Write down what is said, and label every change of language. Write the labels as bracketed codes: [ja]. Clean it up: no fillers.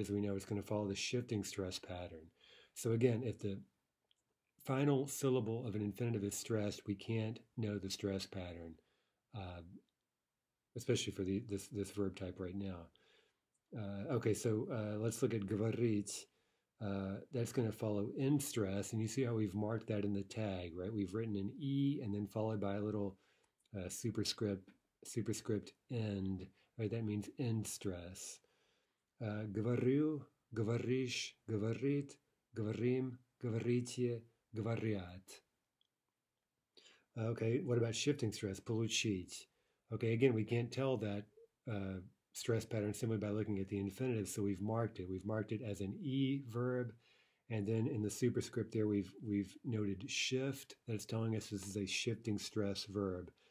[en] As we know, it's going to follow the shifting stress pattern. So again, if the final syllable of an infinitive is stressed, we can't know the stress pattern, especially for this verb type right now. Let's look at говорить. That's going to follow in stress, and you see how we've marked that in the tag, right? We've written an e and then followed by a little superscript end, right? That means end stress. [ru] Говорю, говоришь, говорит, говорим, говорите, говорят. [en] Okay, what about shifting stress? Получить. Okay, again, we can't tell that stress pattern simply by looking at the infinitive, so we've marked it. We've marked it as an e verb, and then in the superscript there we've noted shift. That's telling us this is a shifting stress verb.